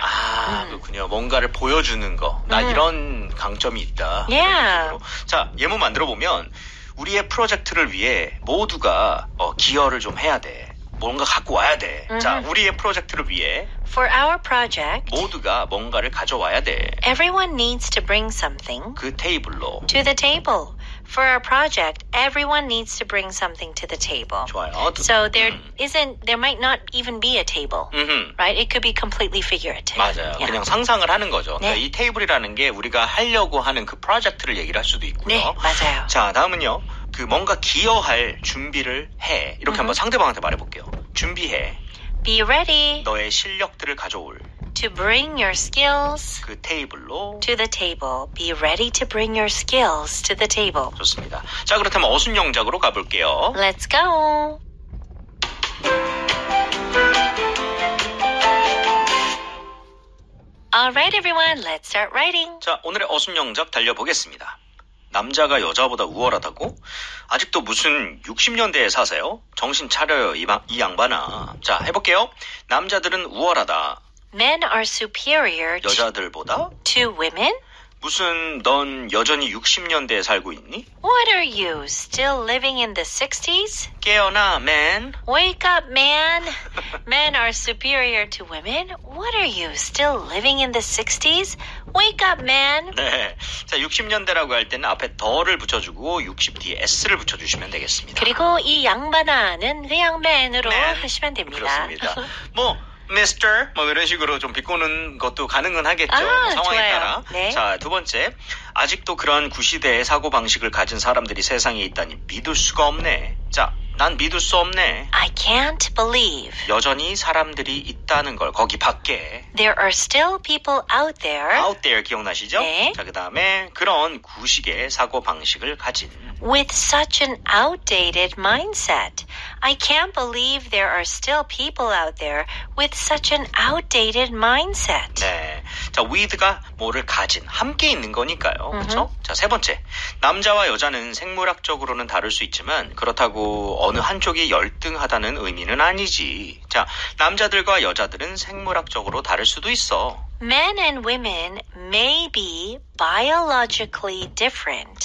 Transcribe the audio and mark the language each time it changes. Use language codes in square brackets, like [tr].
[ko] 아, 그렇군요. 뭔가를 보여주는 거. 나 이런 강점이 있다. [en] Yeah. [ko] 자, 예문 만들어보면 우리의 프로젝트를 위해 모두가 기여를 좀 해야 돼. 뭔가 갖고 와야 돼. 자, 우리의 프로젝트를 위해 [en] For our project [ko] 모두가 뭔가를 가져와야 돼. [en] Everyone needs to bring something [ko] 그 테이블로 [en] To the table. For our project, everyone needs to bring something to the table. [ko] 좋아요. [en] So there isn't, there might not even be a table, right? It could be completely figurative. [ko] 맞아요. Yeah. 그냥 상상을 하는 거죠. 네. 그러니까 이 테이블이라는 게 우리가 하려고 하는 그 프로젝트를 얘기를 할 수도 있고요. 네, 맞아요. 자, 다음은요. 그 뭔가 기여할 준비를 해. 이렇게 한번 상대방한테 말해볼게요. 준비해. [en] Be ready. [ko] 너의 실력들을 가져올. [en] To bring your skills [ko] 그 테이블로 [en] to the table. Be ready to bring your skills to the table. [ko] 좋습니다. 자, 그렇다면 어순영작으로 가볼게요. [en] Let's go. 알라이트 에브리원, let's start writing. [ko] 자, 오늘의 어순영작 달려보겠습니다. 남자가 여자보다 우월하다고? 아직도 무슨 60년대에 사세요? 정신 차려요, 이 양반아. 자, 해볼게요. 남자들은 우월하다. [en] Men are superior [ko] 여자들보다? [en] To women? [ko] 무슨 넌 여전히 60년대에 살고 있니? [en] What are you, still living in the 60s? [ko] 깨어나, man. [en] Wake up, man. Men are superior to women. What are you, still living in the 60s? Wake up, man. [ko] 네. 자, 60년대라고 할 때는 앞에 더를 붙여주고 60 뒤에 S를 붙여주시면 되겠습니다. 그리고 이 양반아는 그냥 man으로 man. 하시면 됩니다. 그렇습니다. 뭐, Mr. 뭐 이런 식으로 좀 비꼬는 것도 가능은 하겠죠. 아, 상황에 좋아요. 따라. 네. 자, 두 번째. 아직도 그런 구시대의 사고방식을 가진 사람들이 세상에 있다니 믿을 수가 없네. 자, 난 믿을 수 없네. [en] I can't believe. [ko] 여전히 사람들이 있다는 걸 거기 밖에. [en] There are still people out there. [ko] Out there 기억나시죠? 네. 자, 그 다음에 그런 구식의 사고방식을 가진. [en] With such an outdated mindset. I can't believe there are still people out there with such an outdated mindset. [ko] 네. 자, with가 뭐를 가진. 함께 있는 거니까요. 그렇죠? 자, 세 번째. 남자와 여자는 생물학적으로는 다를 수 있지만 그렇다고 어느 한쪽이 열등하다는 의미는 아니지. 자, 남자들과 여자들은 생물학적으로 다를 수도 있어. [en] Men and women may be biologically different.